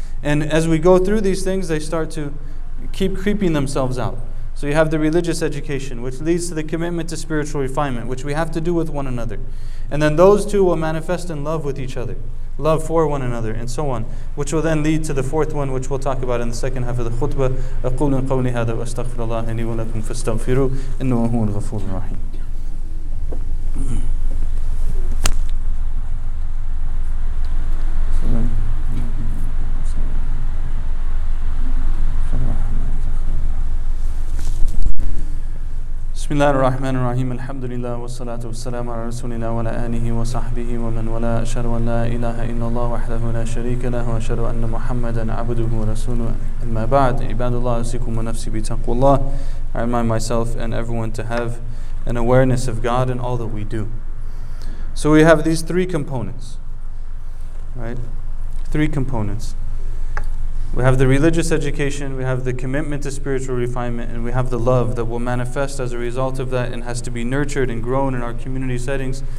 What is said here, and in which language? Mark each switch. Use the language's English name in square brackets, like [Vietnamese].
[English] And as we go through these things, they start to keep creeping themselves out. So you have the religious education, which leads to the commitment to spiritual refinement, which we have to do with one another. And then those two will manifest in love with each other, love for one another, and so on, which will then lead to the fourth one, which we'll talk about in the second half of the khutbah. [Arabic] أقول قولي هذا وأستغفر الله لي ولكم فاستغفروا إنه هو الغفور الرحيم. بسم الله الرحمن الرحيم الحمد لله والصلاة والسلام على رسول الله وعلى آله وصحبه ومن ولا أشهد أن لا إله إلا الله وحده لا شريك له وأشهد أن محمدا عبده ورسوله أما بعد عباد الله أوصيكم ونفسي بتقوى الله. [English] I remind myself and everyone to have an awareness of God in all that we do. So we have these three components, right? Three components. We have the religious education, we have the commitment to spiritual refinement, and we have the love that will manifest as a result of that and has to be nurtured and grown in our community settings.